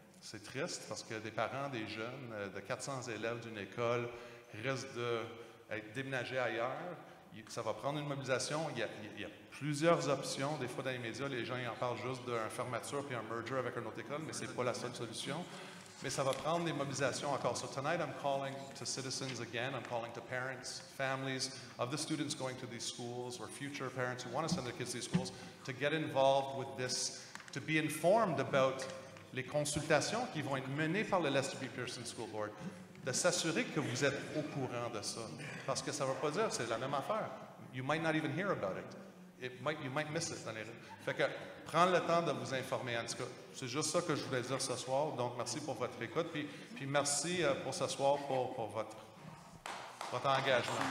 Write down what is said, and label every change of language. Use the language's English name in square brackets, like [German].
[French] C'est triste parce que des parents, des jeunes, de 400 élèves d'une école risquent d'être déménagés ailleurs. Ça va prendre une mobilisation. Il y a plusieurs options. Des fois, dans les médias, les gens en parlent juste d'une fermeture puis un merger avec une autre école, mais ce n'est pas la seule solution. Mais ça va prendre des mobilisations encore. [English] So tonight, I'm calling to citizens again. I'm calling to parents, families of the students going to these schools or future parents who want to send their kids to these schools to get involved with this, to be informed about [French] les consultations qui vont être menées par le Lester B. Pearson School Board, de s'assurer que vous êtes au courant de ça. Parce que ça ne va pas dire, c'est la même affaire. [English] You might not even hear about it. You might miss it. [French] Fait que, prendre le temps de vous informer. En tout cas, c'est juste ça que je voulais dire ce soir. Donc, merci pour votre écoute. Puis merci pour ce soir, pour votre engagement.